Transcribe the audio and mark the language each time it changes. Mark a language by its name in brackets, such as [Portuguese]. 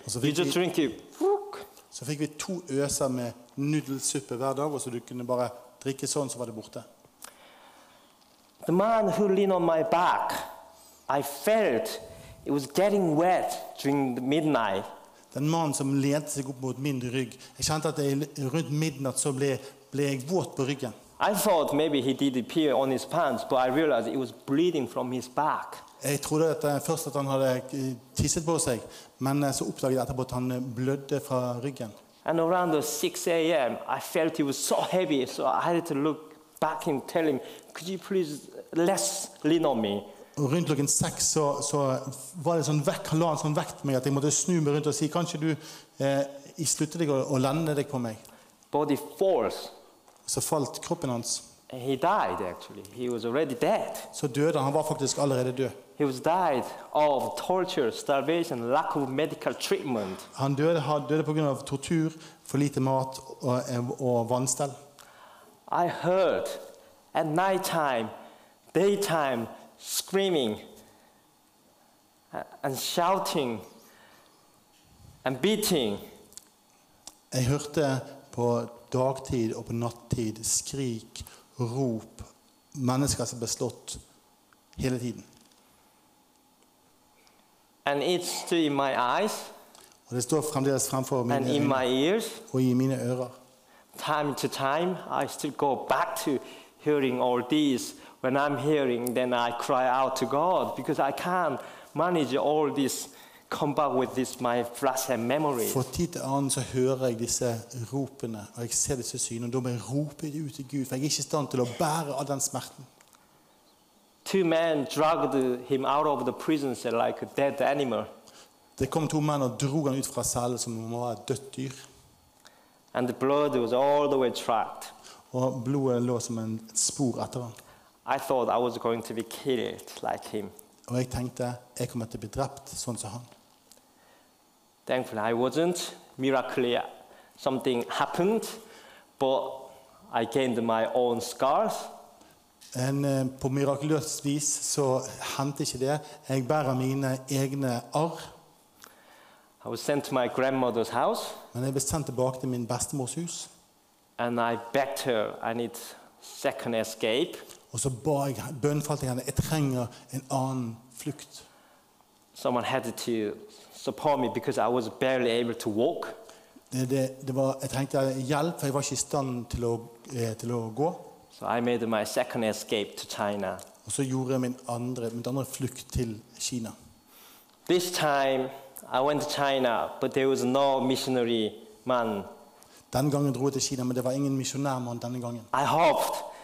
[English] You just drink it. [Norwegian] Så fikk vi 2 øser med nudelsuppe hver dag, og så du kunne bare drikke sånn, så var det borte. [English] The man who leaned on my back, I felt it was getting wet during the midnight. [Norwegian] Den mann som lente seg opp mot min rygg, jeg kjente at rundt midnatt så ble jeg våt på ryggen. [English] I thought maybe he did pee on his pants, but I realized it was bleeding from his back. [Norwegian] Jeg trodde at først at han hadde tisset på seg, men så oppdaget jeg etterpå at han blødde fra ryggen. [English] And around 6 a.m., I felt he was so heavy, so I had to look back and tell him, could you please less lean on me? [Norwegian] Rundt klokken 6 så var det sånn vekk, la han sånn vekt på meg, at jeg måtte snu meg rundt og si, kanskje du I sluttet deg å lande deg på meg? [English] Body falls. [Norwegian] Så falt kroppen hans. [English] He died actually. He was already dead. [Norwegian] Så døde han. Han var faktisk allerede død. [English] He was died of torture, starvation, lack of medical treatment. [Norwegian] Han døde på grunn av tortur, for lite mat og vannstell. [English] I heard at night time, daytime, screaming and shouting and beating. [Norwegian] Jeg hørte på dagtid og på nattid skrik, rop, mennesker som ble slått hele tiden. [English] And it's still in my eyes. [Norwegian] Og det står fremdeles framfor mine øyne. [English] And in my ears. [Norwegian] Og i mine ører. [English] Time to time, I still go back to hearing all these. When I'm hearing, then I cry out to God because I can't manage all this. Come back with this my flash and memory. [Norwegian] For tid an så hører jeg disse ropene, og jeg ser disse synene, og da må jeg rope det ut til Gud, for jeg ikke i stand til å bære all den smerten. [English] Two men dragged him out of the prison like a dead animal. [Norwegian] Det kom to menn og drog han ut fra cellen som om han var et dødt dyr. [English] And the blood was all the way tracked. [Norwegian] Og blodet lå som en spor etter han. [English] I thought I was going to be killed like him. [Norwegian] Og jeg tenkte, jeg kommer til å bli drept, sånn som han. [English] Thankfully, I wasn't. Miraculously, something happened, but I gained my own scars. [Norwegian] En på mirakuløst vis så hendte ikke det. Jeg bærer mine egne arr. [English] I was sent to my grandmother's house. [Norwegian] Men jeg ble sendt tilbake til min bestemors hus. [English] And I begged her, I need second escape. [Norwegian] Og så ba jeg, bønnfalt jeg henne, jeg trenger en annen flukt. [English] Someone had to support me because I was barely able to walk. [Norwegian] Jeg trengte hjelp, for jeg var ikke i stand til å gå. [English] So I made my second escape to China. [Norwegian] Og så gjorde jeg min andre flukt til Kina. [English] This time I went to China, but there was no missionary man. [Norwegian] Den gangen dro jeg til Kina, men det var ingen misjonærmann denne gangen. [English] I hoped.